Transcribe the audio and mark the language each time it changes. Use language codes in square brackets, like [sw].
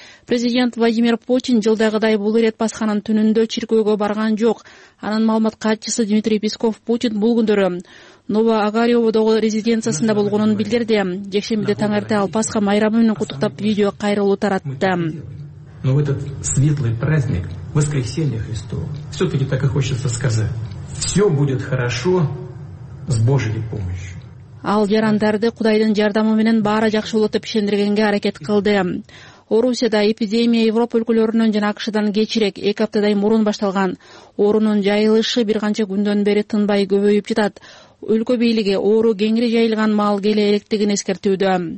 [ky] Президент Владимир Путин жылдагыдай бул ирет Пасханын түнүндө чиркөөгө барган жок. Анын маалымат катчысы Дмитрий Песков Путин бул күндөрү Ново Агариоводогу резиденциясында болгонун билдирди. Жекшембиде таңертең ал Пасха майрамы менен куттуктап видео кайрылуу таратты. [ru] Но в этот светлый праздник воскресения Христова все-таки так и хочется сказать: все будет хорошо с Божьей помощью. [ky] Ал жарандарды Кудайдын жардамы менен баары жакшы болот деп ишендиргенге аракет кылды. Орусияда эпидемия Европа өлкөлөрүнөн жана АКШдан кечирээк 2 аптадай мурун башталган. Оорунун жайылышы бир канча күндөн бери тынбай көбөйүп жатат. Өлкө бийлиги оору кеңири жайылган маал келе электигин эскертүүдө.